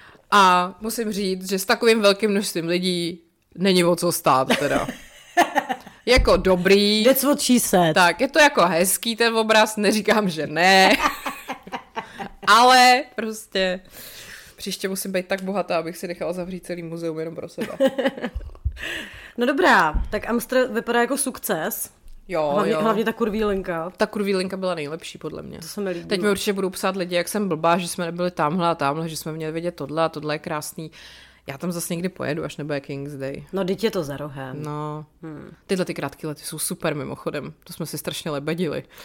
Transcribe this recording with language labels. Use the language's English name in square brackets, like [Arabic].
[Czech] A musím říct, že s takovým velkým množstvím lidí není o co stát teda. Jako dobrý. [English] That's what she said. [Czech] Tak, je to jako hezký ten obraz, neříkám, že ne. Ale prostě příště musím být tak bohatá, abych si nechala zavřít celý muzeum jenom pro sebe. No dobrá, tak Amstr vypadá jako sukces. Jo, hlavně, jo. Hlavně ta kurvílinka. Ta kurvílinka byla nejlepší, podle mě. To se mi líbilo. Teď mi určitě budou psát lidi, jak jsem blbá, že jsme nebyli tamhle a tamhle, že jsme měli vidět tohle a tohle je krásný. Já tam zase někdy pojedu, až nebude King's Day. No, teď je to za rohem. No, tyhle ty krátké lety jsou super mimochodem. To jsme si strašně lebedili.